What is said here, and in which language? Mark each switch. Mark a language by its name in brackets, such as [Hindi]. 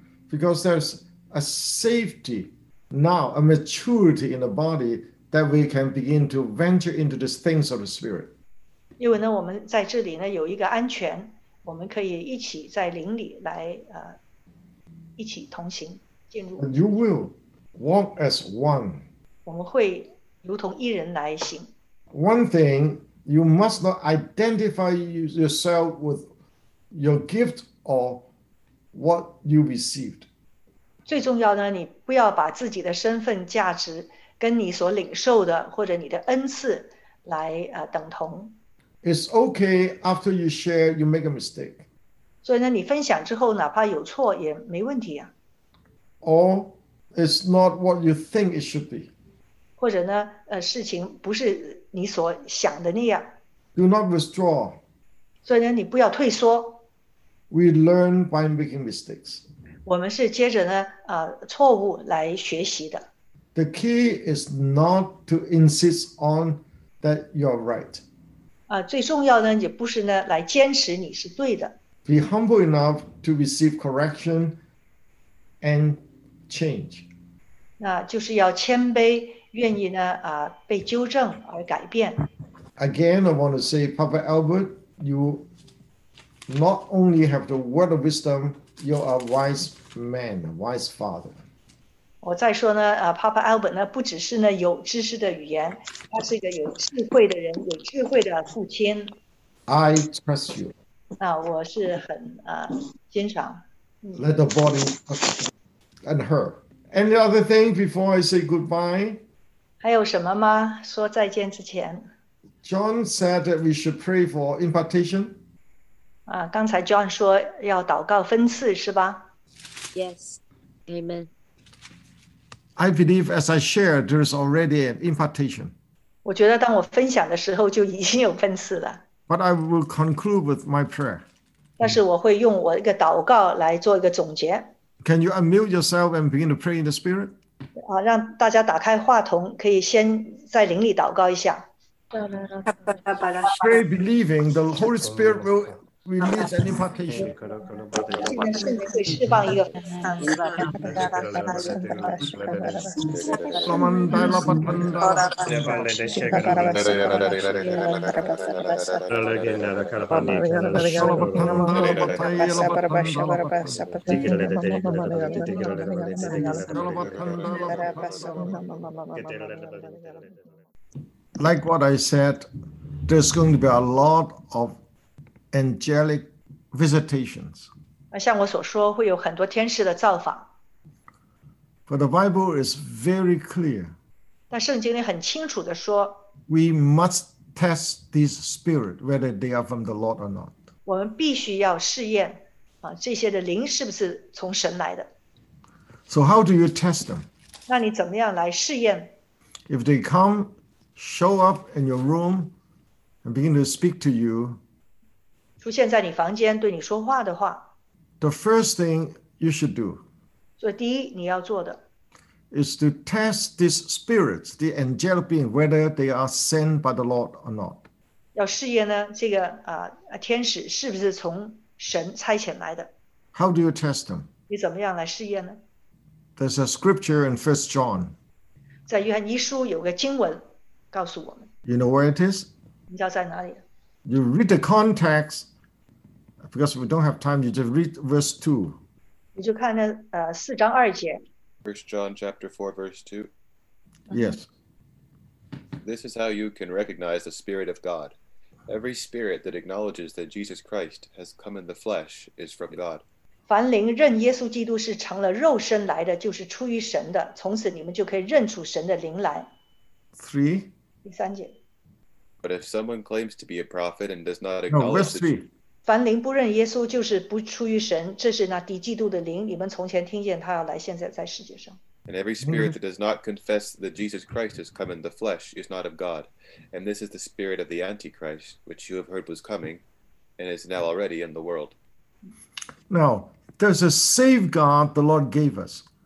[English] because there's a safety now, a maturity in the body that we can begin to venture into the things of the spirit. [Chinese] 因为呢, 我们在这里呢, 有一个安全, 我们可以一起在灵里来, 一起同行, 进入。 [English] And you will walk as one. [Chinese] 我们会如同一人来行。 [English] One thing, you must not identify yourself with your gift or what you received. [Chinese] 最重要呢, 你不要把自己的身份价值 跟你所领受的或者你的恩赐来, 等同。 [English] It's okay after you share, you make a mistake. [Chinese] 所以呢, 你分享之后, 哪怕有错, 也没问题啊。 [English] Or it's not what you think it should be. [Chinese] 或者呢, 事情不是你所想的那样。 [English] Do not withdraw. [Chinese] 所以呢, 你不要退缩。 [English] We learn by making mistakes. [Chinese] 我们是接着呢，错误来学习的。 [English] The key is not to insist on that you're right. [Chinese] 最重要的也不是呢，来坚持你是对的。 [English] Be humble enough to receive correction and change. [Chinese] 那就是要谦卑，愿意呢，被纠正而改变。 [English] Again, I want to say, Papa Albert, you not only have the word of wisdom, you are a wise man, a wise father. [Chinese] 我再说呢，Papa Albert 呢，不只是呢有知识的语言，他是一个有智慧的人，有智慧的父亲。 [English] I trust you. [Chinese] 那我是很欣赏。 [English] Let the body and her. Any other thing before I say goodbye? [Chinese] 还有什么吗？说再见之前。 [English] John said that we should pray for impartation. [Chinese] 刚才 John 说要祷告分赐是吧 [English] ？Yes, Amen. I believe, as I shared, there is already an impartation. [Chinese] 我觉得当我分享的时候就已经有分赐了。 [English] But I will conclude with my prayer. [Chinese] 但是我会用我一个祷告来做一个总结。 [English] Can you unmute yourself and begin to pray in the spirit? [Chinese] 让大家打开话筒，可以先在灵里祷告一下。 [English] Pray believing the Holy Spirit will release an impartation. Like what I said, there's going to be a lot of angelic visitations. [Chinese] 像我所说，会有很多天使的造访。 [English] But the Bible is very clear. [Chinese] 但圣经里很清楚的说。 [English] We must test these spirits, whether they are from the Lord or not. [Chinese] 我们必须要试验，这些的灵是不是从神来的。 [English] So how do you test them? [Chinese] 那你怎么样来试验？ [English] If they come,Show up in your room and begin to speak to you. [Chinese] 出现在你房间对你说话的话。 [English] The first thing you should do. [Chinese] 所以第一你要做的。 [English] Is to test these spirits, the angelic being, whether they are sent by the Lord or not. [Chinese] 要试验呢这个天使是不是从神差遣来的。 [English] How do you test them? [Chinese] 你怎么样来试验呢 [English] ?There's a scripture in 1 John. [Chinese] 在约翰一书有个经文。告诉我们 [English] you know where it is? [Chinese] 你知道在哪里? [English] You read the context, because we don't have time, you just read verse 2. [Chinese] 你就看那四章二节。 [English] First John chapter 4, verse 2. Yes. This is how you can recognize the Spirit of God. Every spirit that acknowledges that Jesus Christ has come in the flesh is from God. [Chinese] 凡灵认耶稣基督是成了肉身来的就是出于神的从此你们就可以认出神的灵来。 [English] 3. But if someone claims to be a prophet and does not acknowledge the truth, [Chinese] 凡灵不认耶稣就是不出于神，这是那敌基督的灵。你们从前听见他要来，现在在世界上。 [English] And every spirit that does not confess that Jesus Christ has come in the flesh is not of God. And this is the spirit of the Antichrist, which you have heard was coming and is now already in the world. Now, there's a safeguard the Lord gave us.